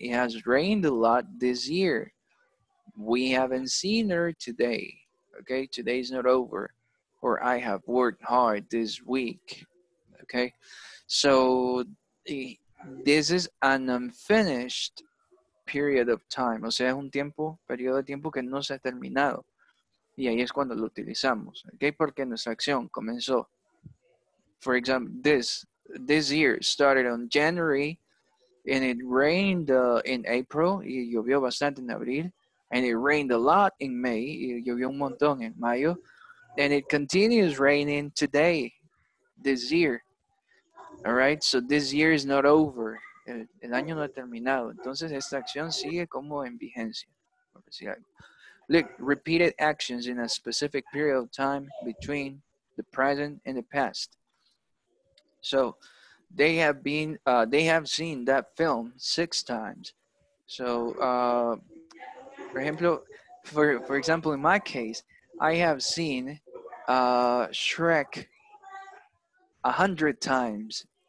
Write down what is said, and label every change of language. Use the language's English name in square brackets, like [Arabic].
[English] It has rained a lot this year. We haven't seen her today. Okay, today is not over. Or I have worked hard this week. Okay, so this is an unfinished period of time. [Spanish] O sea, es un tiempo, periodo de tiempo que no se ha terminado. Y ahí es cuando lo utilizamos. Okay, porque nuestra acción comenzó. [English] For example, this year started on January and it rained in April. [Spanish] Y llovió bastante en abril. [English] And it rained a lot in May. [Spanish] Y llovió un montón en mayo. [English] And it continues raining today, this year. All right, so this year is not over. [Spanish] El año no ha terminado. Entonces, esta acción sigue como en vigencia. [English] Look, repeated actions in a specific period of time between the present and the past. So they have been, they have seen that film six times. So, for example, in my case, I have seen Shrek 100 times.